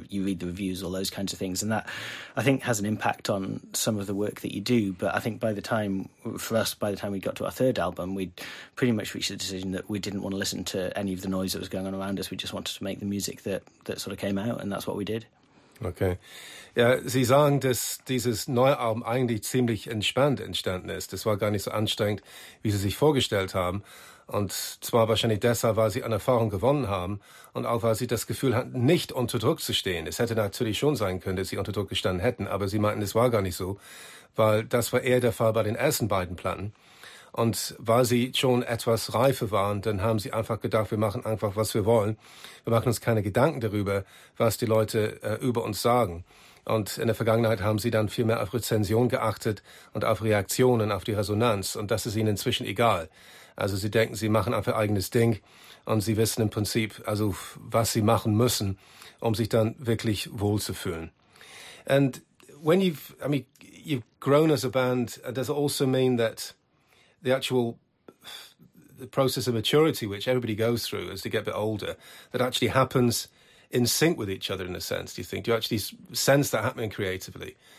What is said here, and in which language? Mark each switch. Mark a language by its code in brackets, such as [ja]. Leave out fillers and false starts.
[en] You read the reviews, all those kinds of things. And that, I think, has an impact on some of the work that you do. But I think by the time we got to our third album, we pretty much reached the decision that we didn't want to listen to any of the noise that was going on around us. We just wanted to make the music that sort of came out. And that's what we did. Okay. [de] Ja, Sie sagen, dass dieses neue Album eigentlich ziemlich entspannt entstanden ist. Das war gar nicht so anstrengend, wie Sie sich vorgestellt haben. Und zwar wahrscheinlich deshalb, weil Sie an Erfahrung gewonnen haben und auch, weil Sie das Gefühl hatten, nicht unter Druck zu stehen. Es hätte natürlich schon sein können, dass Sie unter Druck gestanden hätten, aber Sie meinten, es war gar nicht so, weil das war eher der Fall bei den ersten beiden Platten. Und weil Sie schon etwas reifer waren, dann haben Sie einfach gedacht, wir machen einfach, was wir wollen. Wir machen uns keine Gedanken darüber, was die Leute über uns sagen. Und in der Vergangenheit haben Sie dann viel mehr auf Rezension geachtet und auf Reaktionen, auf die Resonanz. Und das ist Ihnen inzwischen egal. Also Sie denken, Sie machen einfach eigenes Ding und Sie wissen im Prinzip, also was Sie machen müssen, um sich dann wirklich wohlzufühlen. [en] And when you've grown as a band, does it also mean that the actual the process of maturity, which everybody goes through as they get a bit older, that actually happens in sync with each other in a sense, do you think? Do you actually sense that happening creatively?